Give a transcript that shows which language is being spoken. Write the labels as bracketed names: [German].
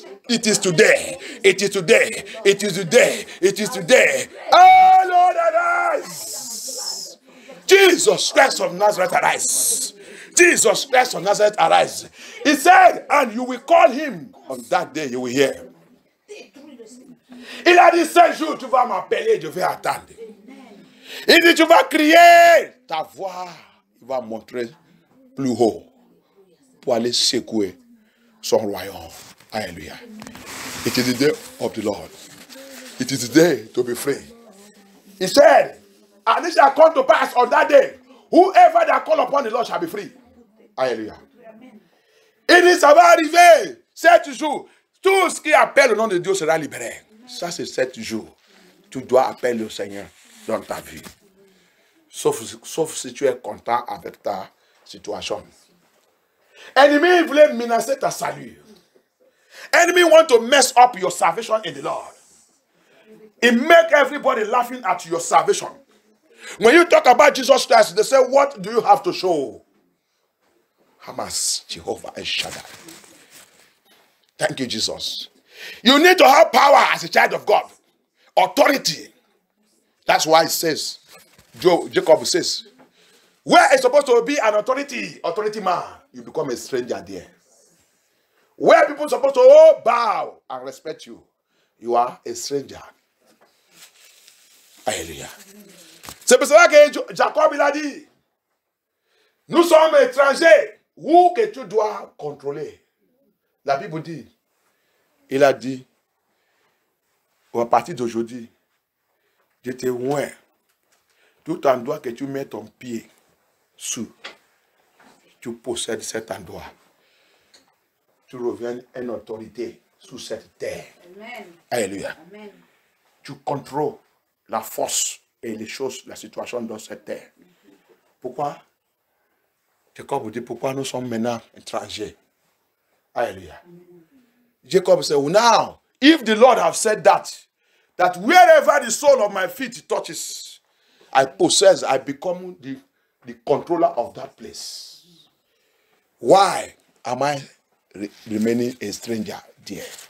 [English] It is today. It is today. It is today. It is today. Oh, Lord, arise. Jesus Christ of Nazareth, arise. Jesus Christ of Nazareth, arise. He said, and you will call him on that day, you will hear. [French] Il a dit, ce jour, tu vas m'appeler, je vais attendre. Il dit, tu vas crier, ta voix, il va montrer plus haut pour aller secouer son royaume. [English] Alléluia. It is the day of the Lord. It is the day to be free. He said, and it shall come to pass on that day, whoever that call upon the Lord shall be free. [French] Alléluia. Il dit, ça va arriver, 7 jours. Tout ce qui appelle le nom de Dieu sera libéré. Ça, c'est 7 jours. Tu dois appeler le Seigneur dans ta vie. Sauf si tu es content avec ta situation. Ennemi voulait menacer ta salut. [English] Enemy want to mess up your salvation in the Lord. It make everybody laughing at your salvation. When you talk about Jesus Christ, they say, what do you have to show? Hamas, Jehovah, and Shaddai. Thank you, Jesus. You need to have power as a child of God. Authority. That's why it says, Jacob says, where is supposed to be an authority man, you become a stranger there. Where people are supposed to bow and respect you, you are a stranger. Hallelujah. [French] C'est pour cela que Jacob il a dit, nous sommes étrangers. Où que tu dois contrôler. La Bible dit, il a dit, à partir d'aujourd'hui, je te oins tout endroit que tu mets ton pied sous, tu possèdes cet endroit. Tu reviens en autorité sous cette terre. Amen. Alléluia. Amen. Tu contrôles la force et les choses, la situation dans cette terre. Pourquoi? Jacob dit, pourquoi nous sommes maintenant étrangers? Hallelujah. [English] Jacob said, well, now, if the Lord have said that, that wherever the sole of my feet touches, I possess, I become the controller of that place. Why am I remaining a stranger there?